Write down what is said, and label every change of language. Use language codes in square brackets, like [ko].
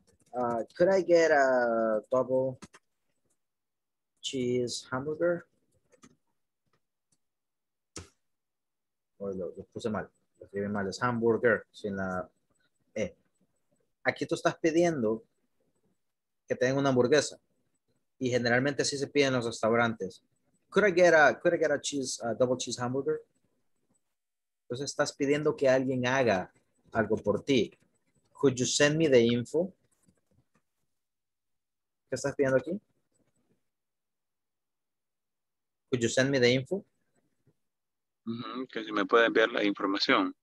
[en] Could I get a double cheese hamburger? [es] Lo puse mal, lo escribí mal, es hamburger, sin la E. Aquí tú estás pidiendo que te den una hamburguesa. Y generalmente así se piden en los restaurantes. [en] Could I get a cheese, a double cheese hamburger? [es] Entonces estás pidiendo que alguien haga algo por ti. [en] Could you send me the info? [es] ¿Qué estás pidiendo aquí? [en] Could you send me the info? [es] Que si me puede enviar la información.